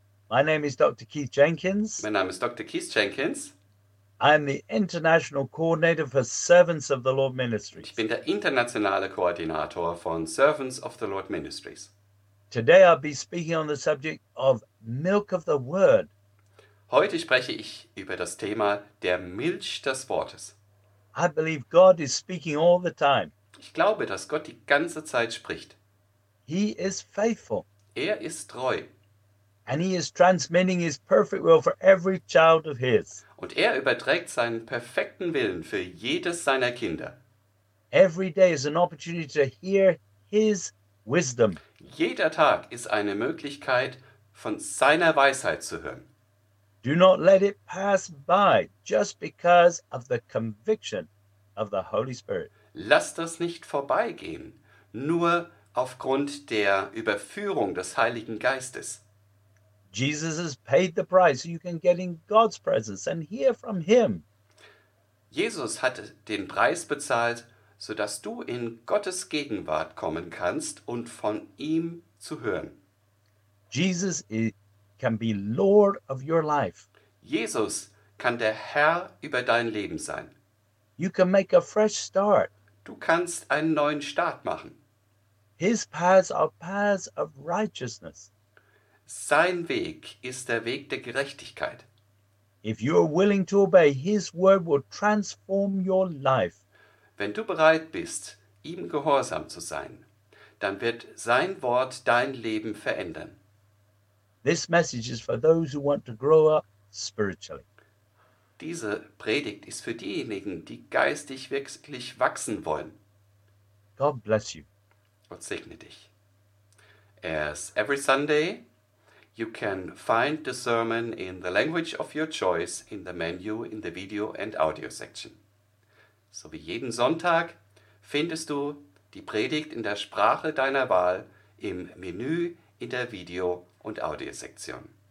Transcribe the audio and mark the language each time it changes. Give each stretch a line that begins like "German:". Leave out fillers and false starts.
English: My name is Dr. Keith Jenkins.
German: Mein Name ist Dr. Keith Jenkins.
English: I am the International Coordinator for Servants of the Lord Ministries.
German: Ich bin der internationale Koordinator von Servants of the Lord Ministries.
English: Today I'll be speaking on the subject of milk of the word.
German: Heute spreche ich über das Thema der Milch des Wortes.
English: I believe God is speaking all the time.
German: Ich glaube, dass Gott die ganze Zeit spricht.
English: He is faithful.
German: Er ist treu.
English: And he is transmitting his perfect will for every child of his.
German: Und er überträgt seinen perfekten Willen für jedes seiner Kinder.
English: Every day is an opportunity to hear his wisdom.
German: Jeder Tag ist eine Möglichkeit, von seiner Weisheit zu hören.
English: Do not let it pass by just because of the conviction of the Holy Spirit.
German: Lass das nicht vorbeigehen, nur aufgrund der Überführung des Heiligen Geistes.
English: Jesus has paid the price, so you can get in God's presence and hear from him.
German: Jesus hat den Preis bezahlt, so dass du in Gottes Gegenwart kommen kannst und von ihm zu hören.
English: Jesus can be Lord of your life.
German: Jesus kann der Herr über dein Leben sein.
English: You can make a fresh start.
German: Du kannst einen neuen Start machen.
English: His paths are paths of righteousness.
German: Sein Weg ist der Weg der Gerechtigkeit.
English: If you are willing to obey, his word will transform your life.
German: Wenn du bereit bist, ihm gehorsam zu sein, dann wird sein Wort dein Leben verändern.
English: This message is for those who want to grow up spiritually.
German: Diese Predigt ist für diejenigen, die geistig wirklich wachsen wollen.
English: God bless you.
German: Gott segne dich.
English: As every Sunday, you can find the sermon in the language of your choice in the menu in the video and audio section.
German: So wie jeden Sonntag findest du die Predigt in der Sprache deiner Wahl im Menü in der Video und Audio Sektion.